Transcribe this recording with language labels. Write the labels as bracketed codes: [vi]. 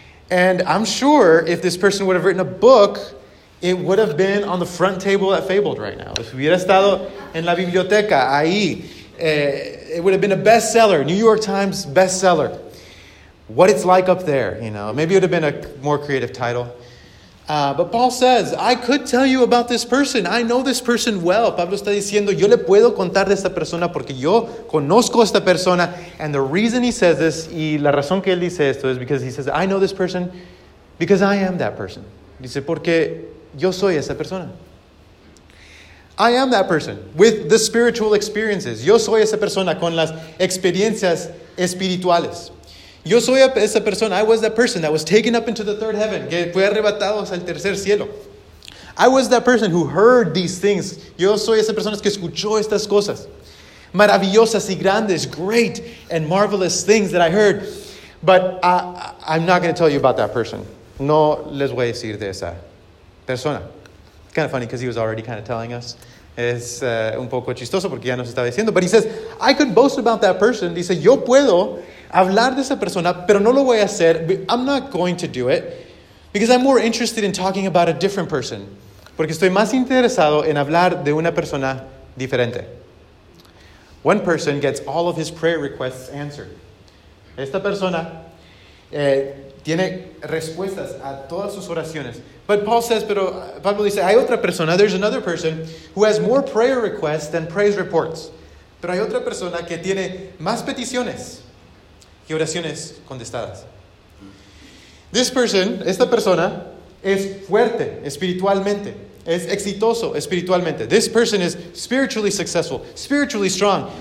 [en] And I'm sure if this person would have written a book, it would have been on the front table at Fabled right now. If [es] hubiera estado en la biblioteca, ahí, [en] it would have been a bestseller, New York Times bestseller. What it's like up there, you know. Maybe it would have been a more creative title. But Paul says, I could tell you about this person. I know this person well. [es] Pablo está diciendo, yo le puedo contar de esta persona porque yo conozco a esta persona. [en] And the reason he says this, [es] y la razón que él dice esto, [en] is because he says, I know this person because I am that person. [es] Dice, porque yo soy esa persona. [en] I am that person with the spiritual experiences. [es] Yo soy esa persona con las experiencias espirituales. Yo soy esa persona. [en] I was that person that was taken up into the third heaven. [es] Que fue arrebatado hasta el tercer cielo. [en] I was that person who heard these things. [es] Yo soy esa persona que escuchó estas cosas. Maravillosas y grandes, [en] great and marvelous things that I heard. But I'm not going to tell you about that person. [es] No les voy a decir de esa persona. [en] It's kind of funny because he was already kind of telling us. [es] Es un poco chistoso porque ya nos estaba diciendo. [en] But he says, I could boast about that person. [es] Dice, yo puedo hablar de esa persona, pero no lo voy a hacer. [en] I'm not going to do it because I'm more interested in talking about a different person. [es] Porque estoy más interesado en hablar de una persona diferente. [en] One person gets all of his prayer requests answered. [es] Esta persona tiene respuestas a todas sus oraciones. [en] But Paul says, [es] pero Pablo dice, hay otra persona, [en] there's another person who has more prayer requests than praise reports. [es] Pero hay otra persona que tiene más peticiones que oraciones contestadas. [en] This person, [es] esta persona, es fuerte espiritualmente. Es exitoso espiritualmente. [en] This person is spiritually successful, spiritually strong.